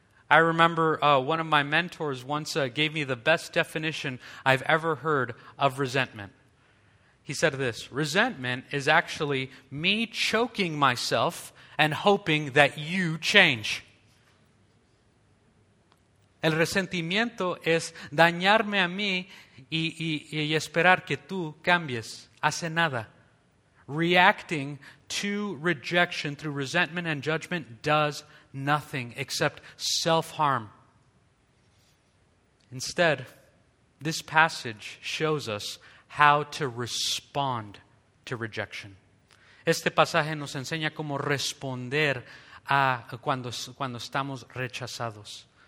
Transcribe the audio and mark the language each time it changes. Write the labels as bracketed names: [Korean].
[English] I remember one of my mentors once gave me the best definition I've ever heard of resentment. He said this, "Resentment is actually me choking myself and hoping that you change." [Spanish] El resentimiento es dañarme a mí y esperar que tú cambies. Hace nada. [English] Reacting to rejection through resentment and judgment does nothing except self-harm. Instead, this passage shows us how to respond to rejection. [Spanish] Este pasaje nos enseña cómo responder a cuando estamos rechazados.